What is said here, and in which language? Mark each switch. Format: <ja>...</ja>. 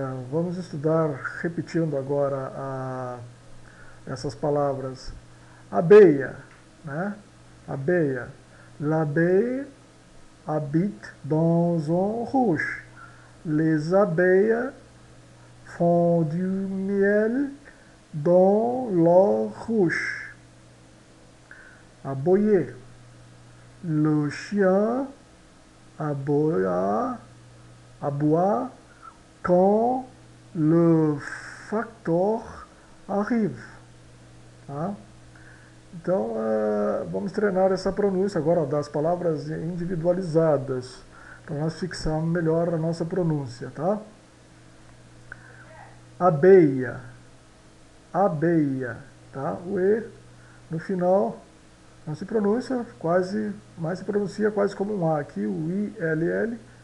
<pt>Vamos estudar repetindo agora essas palavras. Abeia. Né? Abeia.</pt> <fr>L'abeille habite dans un ruche. Les abeilles font du miel dans leur ruche. Aboyer. Le chien aboie quand le facteur arrive.</fr> <pt>Tá? Então, vamos treinar essa pronúncia agora das palavras individualizadas, para nós fixarmos melhor a nossa pronúncia, tá? Abeia. Abeia, tá? O E no final não se pronuncia quase, mas se pronuncia quase como um A aqui, o ILL.</pt>